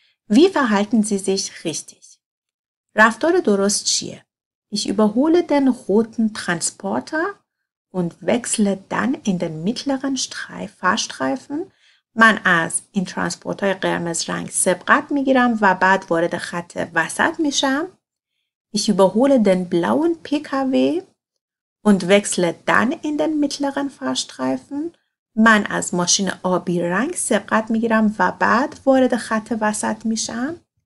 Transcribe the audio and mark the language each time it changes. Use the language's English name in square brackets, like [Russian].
[German] وی فهالتن سی سیش ریشتیش؟ [Persian] رفتار درست چیه؟ [German] Ich überhole den roten Transporter und wechsle dann in den mittleren Fahrstreifen. [Persian] من از این ترانسپورتای قرمز رنگ سبقت میگیرم و بعد وارد خط وسط میشم. [German] Ich überhole den blauen PKW und wechsle dann in den mittleren Fahrstreifen. [Persian] من از ماشین آبی رنگ سبقت میگیرم و بعد وارد خط وسط میشم.